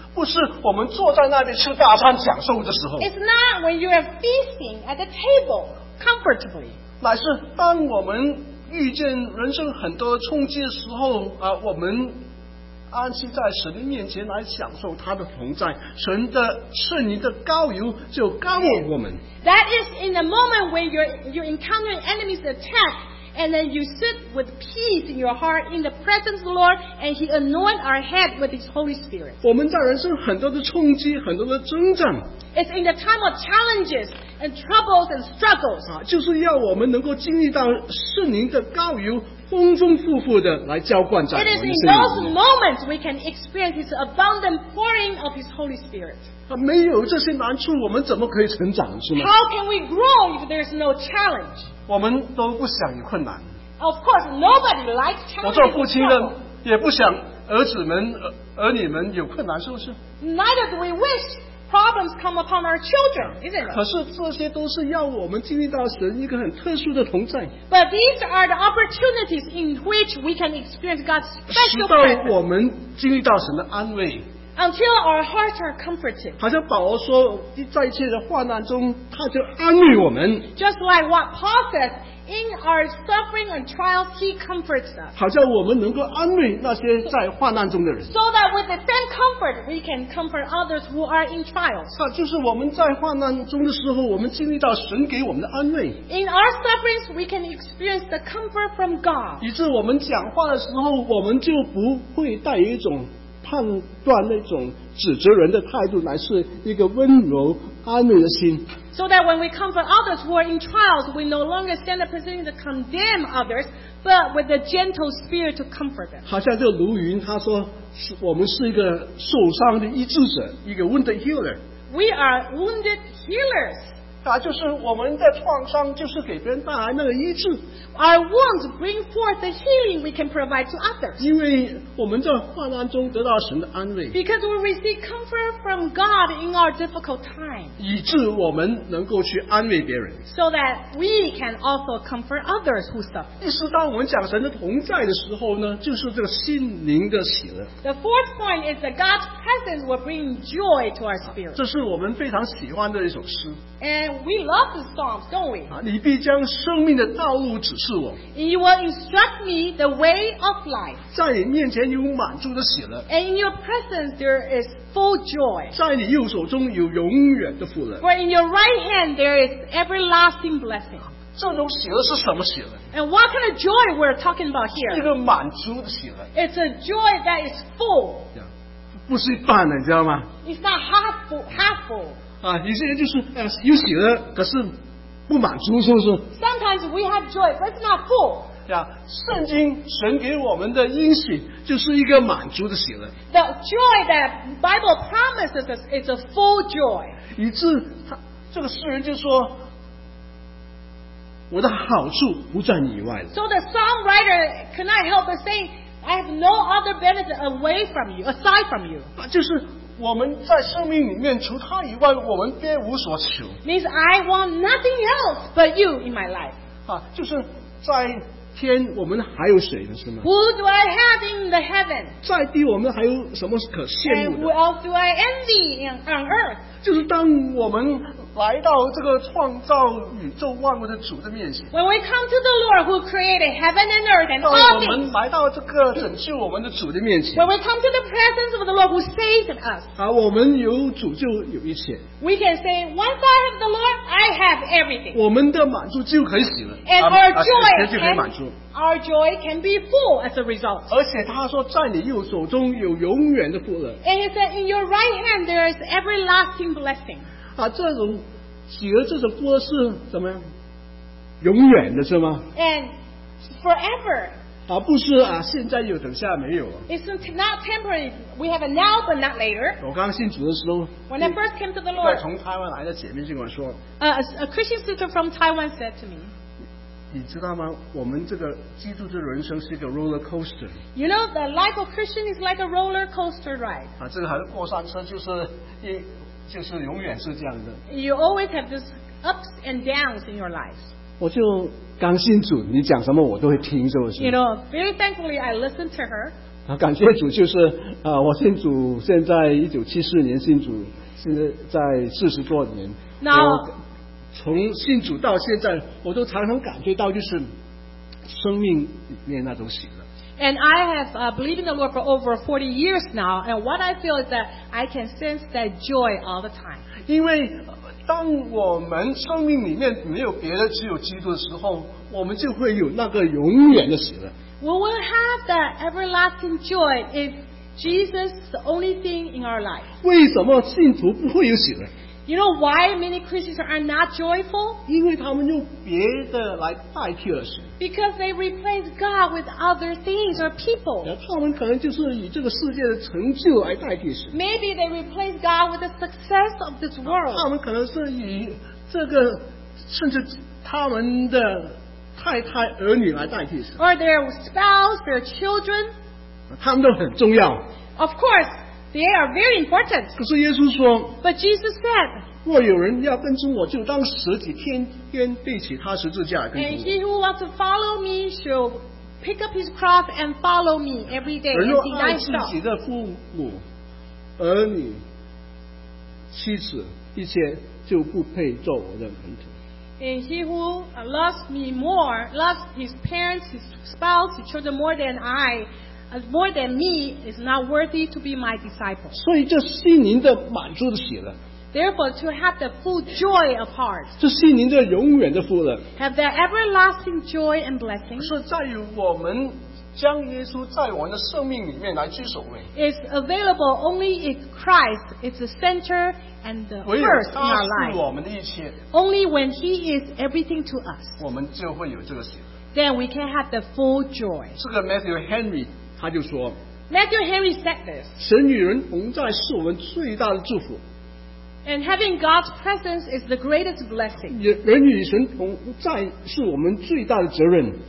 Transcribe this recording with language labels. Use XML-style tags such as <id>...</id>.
<zh>不是我们坐在那里吃大餐享受的时候。</zh> <en>It's not when you are feasting at the table comfortably.</en> <zh>乃是当我们遇见人生很多冲击的时候，我们安息在神的面前来享受他的同在，神的圣灵的膏油就膏抹我们。</zh> <en>That is in the moment when you encounter enemy's attack, and then you sit with peace in your heart in the presence of the Lord, and He anoint our head with His Holy Spirit.</en> <zh>我们在人生很多的冲击，很多的征战。</zh> <en>It's in the time of challenges and troubles and struggles.</en> <zh>就是要我们能够经历到圣灵的膏油。丰丰富富的来浇灌在我们身上。</zh> <en>It is in those moments we can experience His abundant pouring of His Holy Spirit.</en> <zh>没有这些难处，我们怎么可以成长，是吗</zh> <en>？How can we grow if there is no challenge?</en> <zh>我们都不想有困难。</zh> <en>Of course, nobody likes challenges.</en> <zh>我做父亲的也不想儿子们、儿女们有困难，是不是</zh> <en>？Neither do we wish problems come upon our children, isn't it?</en> <zh>可是这些都是要我们经历到神一个很特殊的同在。</zh> <en>But these are the opportunities in which we can experience God's special presence.</en> <zh>使到我们经历到神的安慰。</zh> <en>Until our hearts are comforted.</en> <zh>好像保罗说，在一切的患难中，他就安慰我们。</zh> <en>Just like what Paul says, in our suffering and trials, He comforts us.</en> <zh>好像我们能够安慰那些在患难中的人。</zh> <en>So that with the same comfort, we can comfort others who are in trials.</en> <zh>就是我们在患难中的时候，我们经历到神给我们的安慰。</zh> <en>In our sufferings, we can experience the comfort from God.</en> <zh>以致我们讲话的时候，我们就不会带一种判断那种指责人的态度，乃是一个温柔安慰的心。</zh> <en>So that when we comfort others who are in trials, we no longer stand up presenting to condemn others, but with a gentle spirit to comfort them.</en> <zh>好像这卢云他说，我们是一个受伤的医治者，一个</zh> <en>wounded healer. We are wounded healers.</en> <zh>就是我们的创伤，就是给别人带来那个医治。</zh> <en>Our wounds bring forth the healing we can provide to others.</en> <zh>因为我们在患难中得到神的安慰。</zh> <en>Because we receive comfort from God in our difficult time.</en> <zh>以致我们能够去安慰别人。</zh> <en>So that we can also comfort others who suffer.</en> <zh>意识到我们讲神的同在的时候呢，就是这个心灵的喜乐。</zh> <en>The fourth point is that God's presence will bring joy to our spirit.</en> <zh>这是我们非常喜欢的一首诗。</zh> <en>And we love the Psalms, don't we?</en> <zh>你必将生命的道路指示我。</zh> <en>You will instruct me the way of life.</en> <zh>在你面前有满足的喜乐。</zh> <en>And in your presence there is full joy.</en> <zh>在你右手中有永远的福乐。</zh> <en>For in your right hand there is everlasting blessing.</en> <zh>这种喜乐是什么喜乐？</zh> <en>And what kind of joy we're talking about here?</en> <zh>是一个满足的喜乐。</zh> <en>It's a joy that is full. Yeah.</en> <zh>不是一半的，你知道吗？</zh> <en>It's not half full. Half full.</en> <zh>有些人就是有喜乐，可是不满足，是不是</zh> <en>？Sometimes we have joy, but it's not full.</en> <zh>圣经神给我们的应许就是一个满足的喜乐。</zh> <en>The joy that Bible promises us is a full joy.</en> <zh>以致这个诗人就说，我的好处不在你以外了。</zh> <en>So the songwriter cannot help but saying, I have no other benefit away from you, aside from you.</en> <zh>就是。我们在生命里面除他以外我们别无所求。</zh> <en>Means I want nothing else but you in my life.</en> <zh>就是在天我们还有谁呢，是吗？</zh> <en>Who do I have in the heaven?</en> <zh>在地我们还有什么可羡慕的？</zh> <en>And who else do I envy on earth?</en> <zh>就是当我们来到这个创造宇宙万物的主的面前。</zh> <en>When we come to the Lord who created heaven and earth and all things.</en> <zh>我们来到这个拯救我们的主的面前。</zh> <en>When we come to the presence of the Lord who saved us.</en> <zh>我们有主就有一切。</zh> <en>We can say, once I have the Lord, I have everything.</en> <zh>我们的满足就可以喜乐。</zh> <en>And our joy,</en> <zh>就可以满足。</zh> <en>Our joy can be full as a result.</en> <zh>而且他说，在你右手中有永远的福乐。</zh> <en>And he said, in your right hand, there is everlasting blessing.</en> <zh>这种喜乐，这种福乐是怎么样？永远的是吗</zh> <en>？And forever.</en> <zh>不是现在有，等下没有。</zh> <en>It's not temporary. We have it now, but not later.</en> <zh>我刚信主的时候</zh> <en>，When I first came to the Lord，</en> <zh>从台湾来的姐妹跟我说</zh> <en>，A Christian sister from Taiwan said to me，</en> <zh>你知道吗？我们这个基督的人生是一个</zh> <en>roller coaster。 You know the life of Christian is like a roller coaster ride。</en> <zh>这个还是过山车，就是就是永远是这样的。</zh> <en>You always have these ups and downs in your life.</en> <zh>我就刚信主，你讲什么我都会听，是不是？</zh> <en>You know, very thankfully I listened to her.</en> <zh>啊，感谢主，就是啊，我信主，现在1974年信主，现在40多年。</zh> <en>Now,</en> <zh>从信主到现在，我都常常感觉到就是生命里面那种喜乐。</zh> <en>And I have believed in the Lord for over 40 years now, and what I feel is that I can sense that joy all the time.</en> <zh>因为当我们生命里面没有别的，只有基督的时候，我们就会有那个永远的喜乐。</zh> <en>We will have that everlasting joy if Jesus is the only thing in our life.</en> <zh>为什么信徒不会有喜乐？</zh> <en>You know why many Christians are not joyful?</en> <zh>因为他们用别的来代替了神。</zh> <en>Because they replace God with other things or people.</en> <zh>他们可能就是以这个世界的成就来代替神。</zh> <en>Maybe they replace God with the success of this world.</en> <zh>他们可能是以这个甚至他们的太太儿女来代替神。</zh> <en>Or their spouse, their children.</en> <zh>他们都很重要。</zh> <en>Of course, they are very important.</en> <zh>可是耶稣说，</zh> <en>But Jesus said,</en> <zh>若有人要跟踪我，就当舍己，天天背起他十字架跟踪我。</zh> <en>And he who wants to follow me shall pick up his cross and follow me every day.</en> <zh>而若爱自己的父母、儿女、妻子一切，就不配做我的门徒。</zh> <en>And he who loves me more, loves his parents, his spouse, his children more than I. More than me is not worthy to be my disciple.</en> <zh>所以这心灵的满足的喜乐。</zh> <en>Therefore, to have the full joy of heart.</en> <zh>这心灵的永远的富乐。</zh> <en>Have that everlasting joy and blessing.</en> <zh>是在于我们将耶稣在我们的生命里面来居首位。</zh> <en>It's available only if Christ is the center and the first in our life.</en> <zh>唯有他是我们的一切。</zh> <en>Only when He is everything to us.</en> <zh>我们就会有这个喜乐。</zh> <en>Then we can have the full joy.</en> <zh>这个 Matthew Henry。他就说</zh> <en>Matthew Henry said this.</en> <zh>神与人同在是我们最大的祝福。</zh> <en>And having God's presence is the greatest blessing.</en> <zh>人与神同在是我们最大的责任。</zh>